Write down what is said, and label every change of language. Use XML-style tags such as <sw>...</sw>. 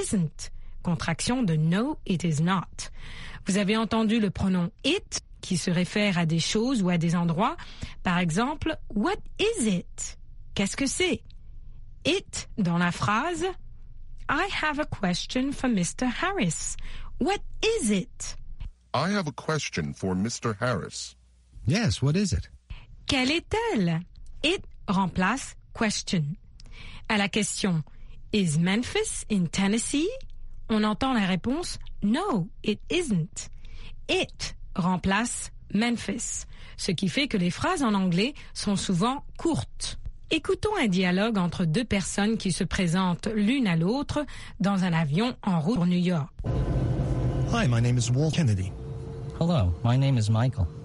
<en>isn't,</en> <fr>contraction de</fr> <en>no, it is not.</en> <fr>Vous avez entendu le pronom it qui se réfère à des choses ou à des endroits. Par exemple,</fr> <en>what is it?</en> <fr>Qu'est-ce que c'est?</fr> <en>It</en> <fr>dans la phrase,</fr> <en>I have a question for Mr. Harris. What is it? I have a question for Mr. Harris. Yes, what is it?</en> <fr>Quelle est-elle? It remplace question. À la question,</fr> <en>is Memphis in Tennessee?</en> <fr>On entend la réponse,</fr> <en>no, it isn't.</en> <fr>It remplace Memphis, ce qui fait que les phrases en anglais sont souvent courtes. Écoutons un dialogue entre deux personnes qui se présentent l'une à l'autre dans un avion en route pour New York.</fr> <en>Hi, my name is Walt Kennedy. Hello, my name is Michael.</en>